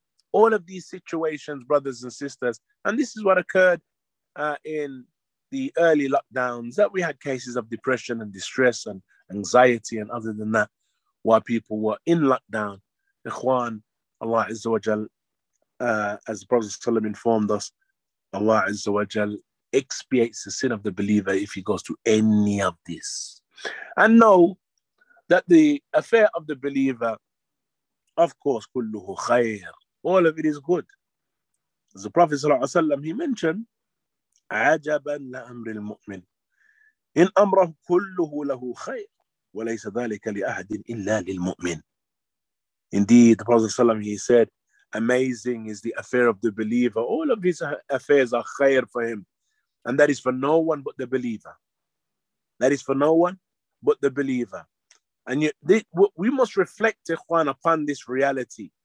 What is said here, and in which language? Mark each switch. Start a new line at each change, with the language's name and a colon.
English: all of these situations, brothers and sisters, and this is what occurred in the early lockdowns, that we had cases of depression and distress and anxiety, and other than that, while people were in lockdown, ikhwan, Allah Azza wa Jal, as the Prophet ﷺ informed us, Allah Azza wa Jal expiates the sin of the believer if he goes through any of this. And know that the affair of the believer, of course, kulluhu khair, all of it is good. As the Prophet ﷺ, he mentioned,
Arabic: عَجَبًا لَأَمْرِ الْمُؤْمِنِ إِنْ أَمْرَهُ كُلُّهُ لَهُ خَيْرٌ وَلَيْسَ ذَلِكَ لِأَهْدٍ إِلَّا لِلْمُؤْمِنِ.
English: Indeed, the Prophet ﷺ, he said, amazing is the affair of the believer. All of his affairs are khair for him. And that is for no one but the believer. That is for no one but the believer. And yet, we must reflect, ikhwan, upon this reality.